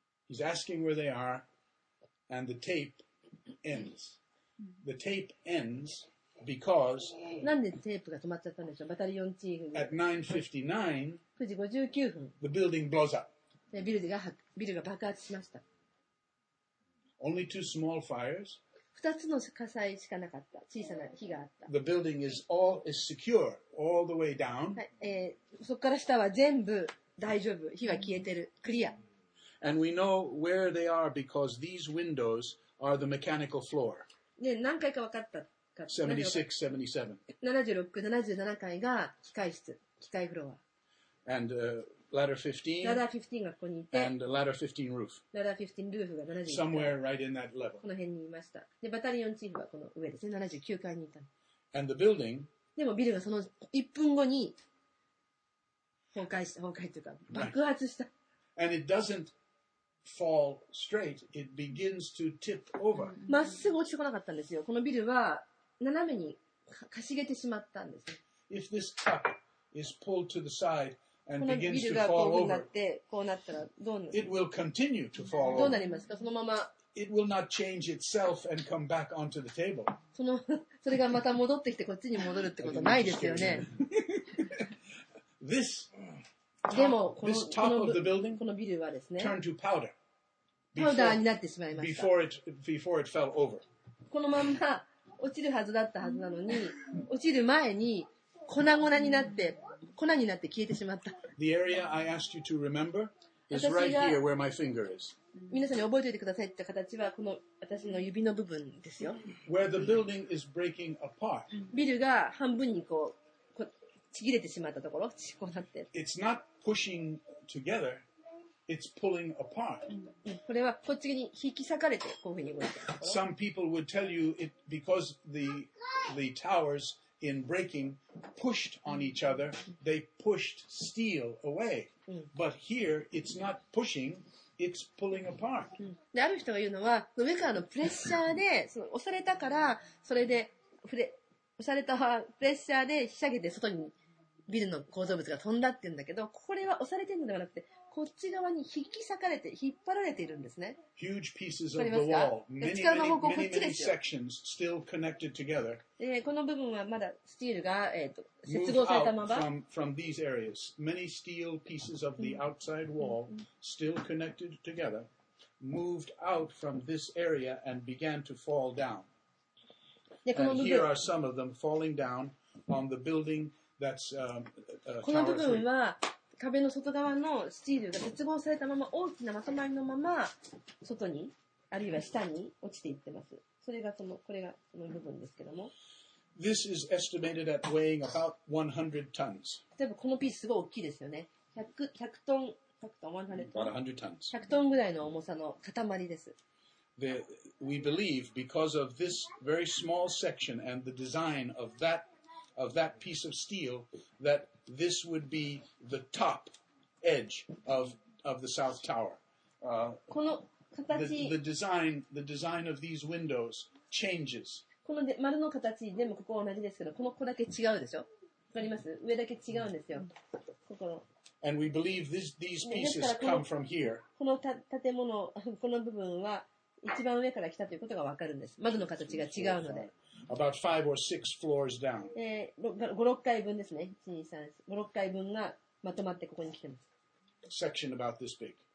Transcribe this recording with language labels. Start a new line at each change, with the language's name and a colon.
English: He's asking where they are, and the tape ends. The tape ends because.
Japanese: なんでテープが止まっちゃったんでしょう、バタリオンチーフ。
English: At 9:59,
Japanese: 9時59分。
English: The building blows up.
Japanese: ビルが爆発しました。
English: Only two small fires.
Japanese: 2つの火災しかなかった。小さな火があった。
English: The building is all is secure all the way down、
Japanese: はい、そこから下は全部大丈夫、火は消えてる、クリア。
English: And we know where they are because these windows are the mechanical floor、
Japanese: ね、何回か分かったか。 76, 77 76、77階が機械室、機械フロア。
English: AndLadder 15,
Japanese: ladder 15がここにいて、
English: and ladder 15 roof.
Japanese: Ladder 15 roof が79階。
English: Somewhere right in that level.
Japanese: この辺にいました。で、バタリオンチーフはこの上ですね、79階にいた。
English: And the building.
Japanese: でもビルがその1分後に崩壊した、崩壊というか爆発した。
English: Right. And it doesn't fall straight. It begins to tip over.
Japanese: まっすぐ落ちてこなかったんですよ。このビルは斜めにかしげてしまったんですね。
English: If this truck is pulled to the side.
Japanese: このビルがこうなって、こうなったらどうなる？
English: It will continue to fall over.
Japanese: どうなりますか？そのまま。
English: It will not change itself and come back onto the table.
Japanese: その、それがまた戻ってきてこっちに戻るってことないですよね。
English: This,
Japanese: でもこのビルはですね、
English: turned to powder.
Japanese: パウダーになってしまいました。
English: Before it fell over.
Japanese: このまま落ちるはずだったはずなのに、落ちる前に粉々になって、粉になって消えてしまった。
English: The area I asked you to remember is right here where my finger is.
Japanese: 皆さんに覚えておいてくださいって形はこの私の指の部分ですよ。
English: Where the building is breaking apart.
Japanese: ビルが半分にこうちぎれてしまったところ、こうなって。
English: It's not pushing together, it's pulling apart.
Japanese: これはこっちに引き裂かれてこういうふうに動いてる。
English: Some people would tell you it because the towers. In breaking, pushed on each other, they pushed steel away. But here, it's not pushing, it's pulling apart.
Japanese: ある人が言うのは、上からのプレッシャーで、その押されたから、それで押されたプレッシャーでひしゃげて外にビルの構造物が飛んだって言うんだけど、これは押されてるのではなくて、こっち側に引き裂かれて引っ張られているんですね。
English: Huge pieces of the wall, many sections still connected together.
Japanese: この部分はまだスチールが、接合されたまま。
English: From these areas, many steel pieces of the outside wall still connected together, moved out from this area and began to fall down. And here are some of them falling down on the building that's
Japanese: この部分は。壁の外側のスチールが接合されたまま大きなまとまりのまま外にあるいは下に落ちていってます。それがその、これがその部分ですけども。
English: This is estimated at weighing about 100 tons.
Japanese: 例えばこのピースすごい大きいですよね。 100トン、 100トン、 100トンぐらいの重さの塊です。
English: We believe because of this very small section and the design of that piece of steel thatThis would be the top edge of the South Tower.
Japanese: この形
English: the design of these windows changes.
Japanese: この丸の形でもここ同じですけど、この子だけ違うでしょ。わかります？上だけ違うんですよ。ここの。
English: And we believe these pieces come from here.
Japanese: この建物この部分は一番上から来たということがわかるんです。窓の形が違うので。
English: About five or six floors down.
Japanese: 5、6階分ですね。 5、6階分がまとまってここに来てます。
English: Section about this big.